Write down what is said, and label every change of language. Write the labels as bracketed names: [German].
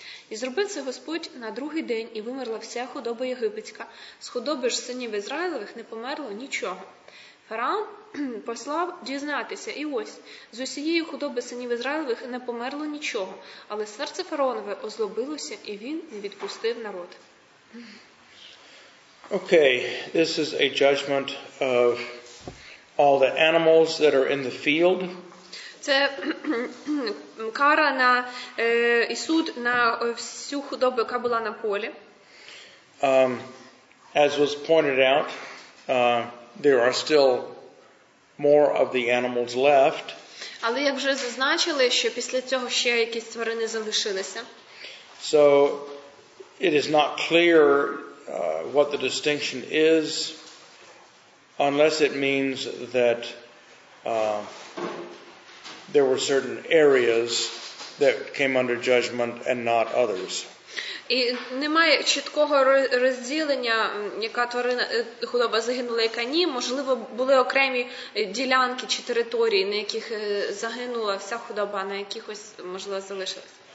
[Ukrainian] І зробив це Господь на другий день, і вимерла вся худоба єгипетська. З худоби ж синів Ізраїлових не померло нічого. Фараон послав дізнатися, і ось, з усієї худоби синів Ізраїлових не померло нічого. Але серце фараонове озлобилося, і він не відпустив народ. [English] Okay, this is a judgment of all the animals that are in the field. [Ukrainian] Це кара на і суд на всю худобу, яка була на полі. [English] As was pointed out, there are still more of the animals left. [Ukrainian] Але як вже зазначили, що після цього ще якісь тварини залишилися. [English] So it is not clear what the distinction is, unless it means that there were certain areas that came under judgment and not others. [Ukrainian] І немає чіткого розділення, яка тварина, худоба загинула, яка ні. Можливо, були окремі ділянки чи території, на яких загинула вся худоба, на якихось, можливо, залишилась.